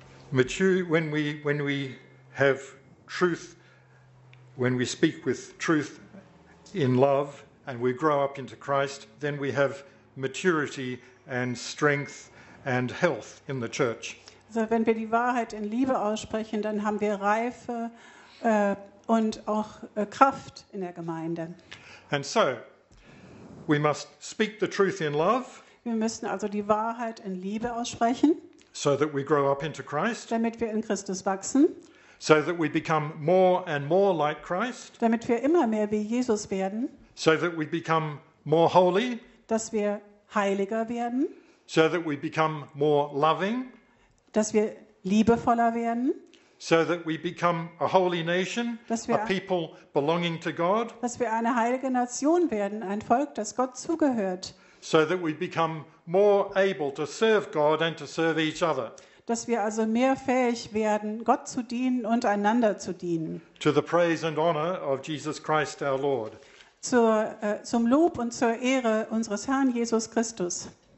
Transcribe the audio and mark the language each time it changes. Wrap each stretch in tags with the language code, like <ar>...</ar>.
<en>Mature, when we have truth, when we speak with truth in love and we grow up into Christ, then we have maturity and strength and health in the church.</en> <de>Also wenn wir die Wahrheit in Liebe aussprechen, dann haben wir Reife und auch Kraft in der Gemeinde.</de> <en>And so we must speak the truth in love.</en> <de>Wir müssen also die Wahrheit in Liebe aussprechen.</de> <en>So that we grow up into Christ.</en> <de>Damit wir in Christus wachsen.</de> <en>So that we become more and more like Christ.</en> <de>Damit wir immer mehr wie Jesus werden.</de> <en>So that we become more holy.</en> <de>Dass wir heiliger werden.</de> <en>So that we become more loving.</en> <de>Dass wir liebevoller werden.</de> <en>So that we become a holy nation, a people belonging to God.</en> <de>Dass wir eine heilige Nation werden, ein Volk, das Gott zugehört.</de> <en>So that we become more able to serve God and to serve each other.</en> <de>Dass wir also mehr fähig werden, Gott zu dienen und einander zu dienen.</de> <en>To the praise and honor of Jesus Christ our Lord.</en> <de>Zum Lob und zur Ehre unseres Herrn Jesus Christus.</de>